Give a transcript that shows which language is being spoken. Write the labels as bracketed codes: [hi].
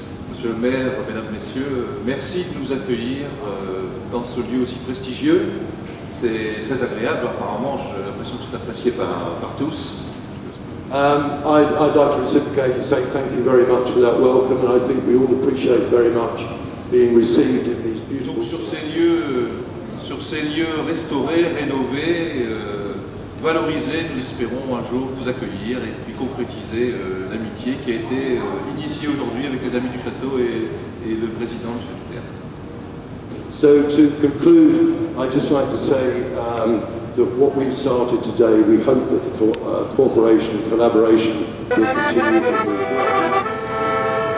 [fr] Monsieur le maire, mesdames, messieurs, merci de nous accueillir dans ce lieu aussi prestigieux. C'est très agréable, apparemment, j'ai l'impression que c'est apprécié par tous. [en] I'd like to reciprocate and say thank you very much for that welcome, and I think we all appreciate very much being received in these beautiful. [fr] Donc sur ces lieux restaurés, rénovés, valorisés, nous espérons un jour vous accueillir et puis concrétiser l'amitié qui a été initiée aujourd'hui avec les amis du château et le président du château. [en] So to conclude, I'd just like to say that what we've started today, we hope that the cooperation and collaboration will continue to move forward.